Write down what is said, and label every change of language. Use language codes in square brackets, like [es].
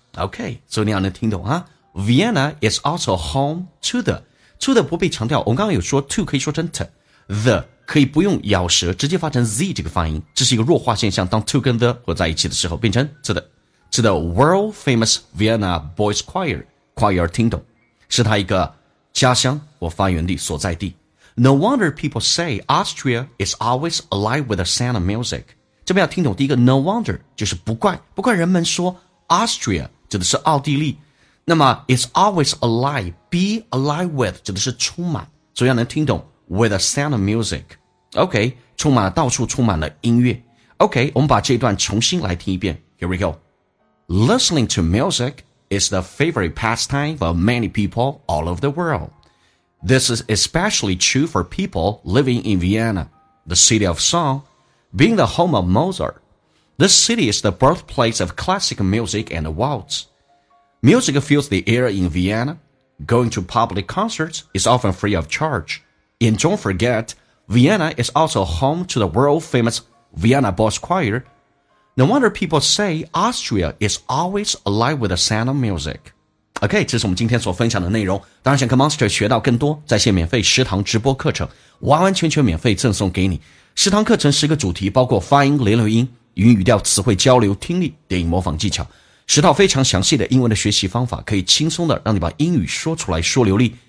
[zh] OK， 所以你要能听懂啊。 [en] Vienna is also home to the to the 不被强调，我们刚刚有说 to 可以说成 to， the 可以不用咬舌直接发成 z 这个发音，这是一个弱化现象，当 to 跟 the 合在一起的时候变成 to the to the world famous Vienna Boys Choir。 [zh] Choir 听懂，是他一个家乡或发源地所在地。 [en] No wonder people say Austria is always alive with the sound of music。 [zh] 这边要听懂第一个 [en] no wonder， [zh] 就是不怪人们说 Austria 指的是奥地利。那么 [en] it's always alive， be alive with [zh] 指的是充满，所以要能听懂 [en] with a sound of music。 [zh] OK， 充满了，到处充满了音乐。OK， 我们把这一段重新来听一遍。 [en] Here we go。 Listening to music is the favorite pastime for many people all over the world. This is especially true for people living in Vienna, the city of songBeing the home of Mozart, this city is the birthplace of classical music and waltz. Music fills the air in Vienna. Going to public concerts is often free of charge. And don't forget, Vienna is also home to the world-famous Vienna Boys Choir. No wonder people say Austria is always alive with the sound of music. [zh] OK， 这是我们今天所分享的内容。当然想跟 Monster 学到更多，在线免费食堂直播课程，完完全全免费赠送给你。食堂课程十个主题，包括发音、连留音、语音语调、词汇交流、听力、电影模仿技巧，十套非常详细的英文的学习方法，可以轻松的让你把英语说出来说流利。